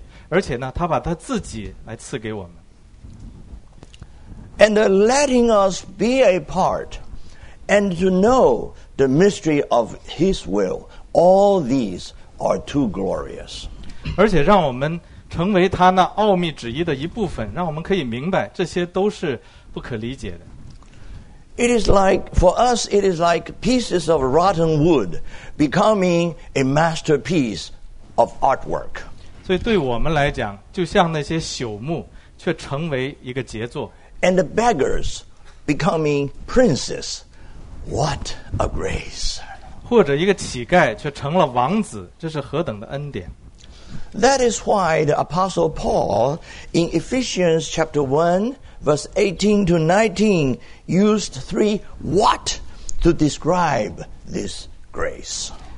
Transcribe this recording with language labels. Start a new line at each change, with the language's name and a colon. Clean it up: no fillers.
Chinese: 这是很难理解的事，就是神竟然拣选我们这些罪人成为他的产业，而且呢，他把他自己来赐给我们。
English: And letting us be a part and to know the mystery of His will, all these are too glorious.
Chinese: 而且让我们成为他那奥秘旨意的一部分，让我们可以明白这些都是不可理解的。
English: It is like, for us, it is like pieces of rotten wood becoming a masterpiece of artwork.
Chinese: 所以对我们来讲，就像那些朽木却成为一个杰作。
English: And the beggars becoming princes. What a grace!
Chinese: 或者一个乞丐却成了王子，这是何等的恩典！
English: That is why the Apostle Paul in Ephesians chapter 1, verse 18 to 19, used three what to describe this grace.